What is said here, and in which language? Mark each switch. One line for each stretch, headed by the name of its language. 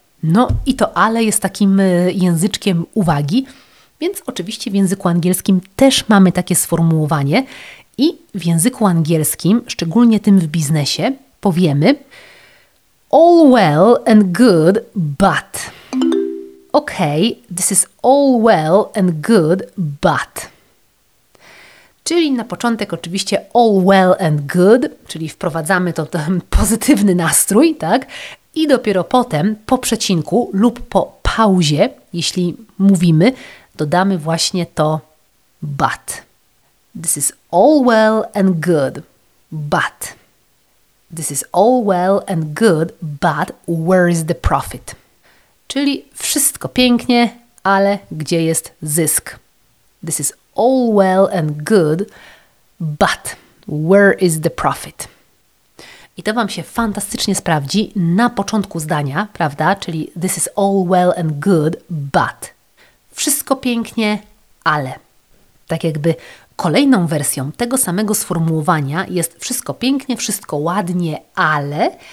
Polish: No i to ale jest takim języczkiem uwagi, więc oczywiście w języku angielskim też mamy takie sformułowanie i w języku angielskim, szczególnie tym w biznesie, powiemy
English: all well and good, but. Okay, this is all well and good, but.
Polish: Czyli na początek oczywiście
English: all well and good,
Polish: czyli wprowadzamy to ten pozytywny nastrój, tak? I dopiero potem po przecinku lub po pauzie, jeśli mówimy, dodamy właśnie to but.
English: This is all well and good, but. This is all well and good, but where is the profit?
Polish: Czyli wszystko pięknie, ale gdzie jest zysk?
English: This is all well and good, but where is the profit?
Polish: I to Wam się fantastycznie sprawdzi na początku zdania, prawda? Czyli
English: this is all well and good, but.
Polish: Wszystko pięknie, ale. Tak jakby kolejną wersją tego samego sformułowania jest wszystko pięknie, wszystko ładnie, ale.